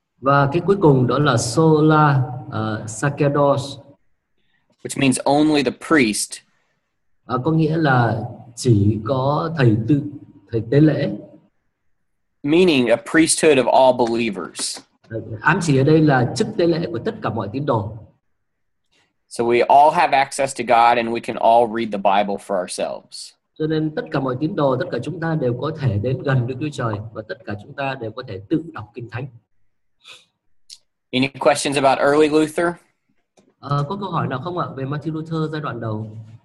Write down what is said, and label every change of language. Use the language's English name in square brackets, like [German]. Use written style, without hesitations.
[Vietnamese] Và cái cuối cùng đó là sola sacerdotis, [English] which means only the priest. [Vietnamese] Có nghĩa là chỉ có thầy tư. Thầy tế lễ. [English] Meaning a priesthood of all believers. [Vietnamese] Ám chỉ ở đây là chức tế lễ của tất cả mọi tín đồ. [English] So we all have access to God and we can all read the Bible for ourselves. [Vietnamese] Cho nên tất cả mọi tín đồ, tất cả chúng ta đều có thể đến gần Đức Chúa Trời và tất cả chúng ta đều có thể tự đọc Kinh Thánh. [English] Any questions about early Luther? [Vietnamese] Có câu hỏi nào không ạ về Martin Luther giai đoạn đầu?